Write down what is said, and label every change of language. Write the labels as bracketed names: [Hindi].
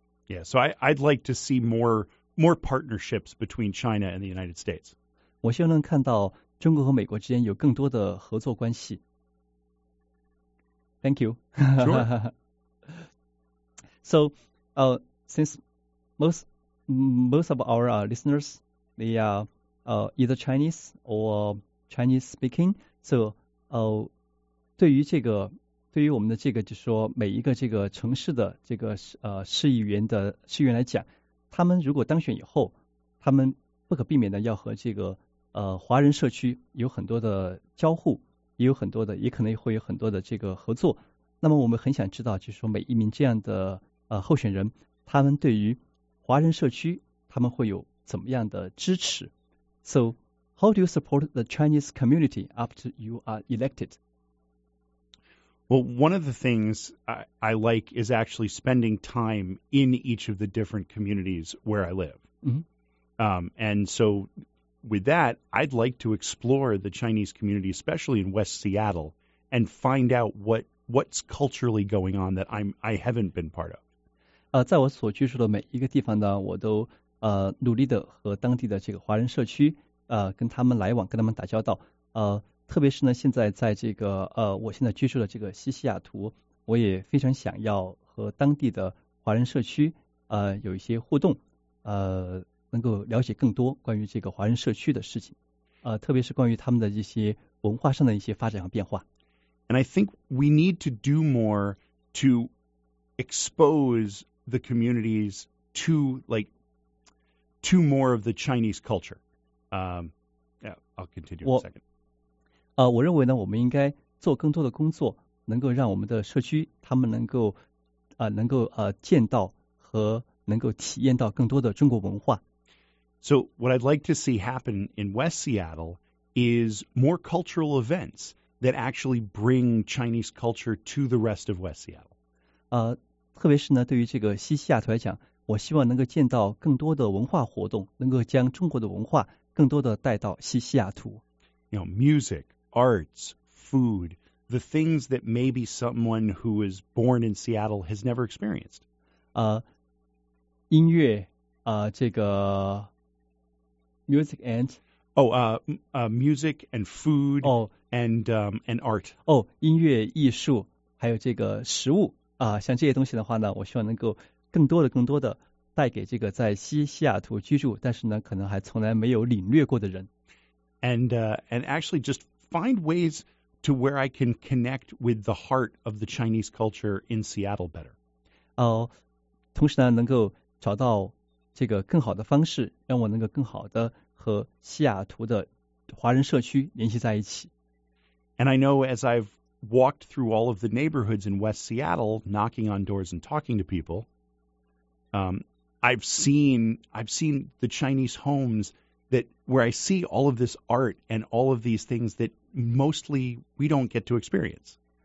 [English] Yeah, so I'd like to see more partnerships between China and the United States. [Chinese] 我希望能看到中国和美国之间有更多的合作关系。 [English] Thank you. Sure. So, since most of our listeners, they are either Chinese or Chinese speaking. [Chinese] So, 对于这个，对于我们的这个，就是说每一个这个城市的这个市议员来讲，他们如果当选以后，他们不可避免的要和这个华人社区有很多的交互，也有很多的，也可能会有很多的这个合作。那么我们很想知道，就是说每一名这样的候选人，他们对于华人社区，他们会有怎么样的支持。 [English] So, how do you support the Chinese community after you are elected? Well, one of the things I like is actually spending time in each of the different communities where I live. Mm-hmm. And so with that, I'd like to explore the Chinese community, especially in West Seattle, and find out what's culturally going on that I haven't been part of. [Chinese] 在我所居住的每一个地方呢，我都努力的和当地的这个华人社区跟他们来往，跟他们打交道。特别是呢，现在在这个我现在居住的这个西雅图，我也非常想要和当地的华人社区有一些互动，能够了解更多关于这个华人社区的事情，特别是关于他们的一些文化上的一些发展和变化。 [English] And I think we need to do more to expose the communities to more of the Chinese culture. I'll continue in a second. [Chinese] 我认为呢，我们应该做更多的工作，能够让我们的社区他们能够见到和能够体验到更多的中国文化。 [English] So what I'd like to see happen in West Seattle is more cultural events that actually bring Chinese culture to the rest of West Seattle. [Chinese] 特别是呢，对于这个西西雅图来讲，我希望能够见到更多的文化活动，能够将中国的文化更多的带到西西雅图。 [English] You know, music, arts, food, the things that maybe someone who was born in Seattle has never experienced. [Chinese] 音乐，这个。 [English] Music and music and food and art. [Chinese] 音乐、艺术还有这个食物像这些东西的话呢，我希望能够更多的带给这个在西雅图居住，但是呢，可能还从来没有领略过的人。 [English] And actually, just find ways to where I can connect with the heart of the Chinese culture in Seattle better. [Chinese] 同时呢，能够找到这个更好的方式，让我能够更好的和西雅图的华人社区联系在一起。 [English] And I know as I've walked through all of the neighborhoods in West Seattle, knocking on doors and talking to people, I've seen the Chinese homes that where I see all of this art and all of these things that mostly we don't get to experience.